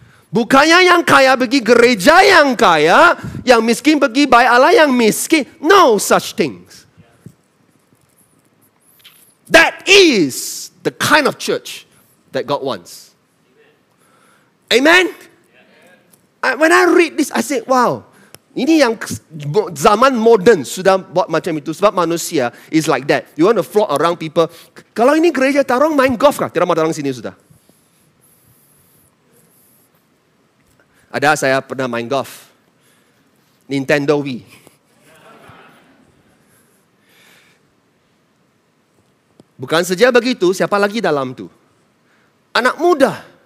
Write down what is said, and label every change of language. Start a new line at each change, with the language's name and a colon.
Malay: Bukannya yang kaya pergi gereja yang kaya, yang miskin pergi bait Allah yang miskin.
English: No such things. That is the kind of church that God wants. Amen? When I read this, I say, wow.
Malay: Ini yang zaman modern sudah buat macam itu. Sebab manusia
English: is like that. You want to flock around people.
Malay: Kalau ini gereja tarong, main golf kah? Tidak ada orang sini sudah. Ada, saya pernah main golf. Nintendo Wii. Bukan saja begitu, siapa lagi dalam tu? Anak muda.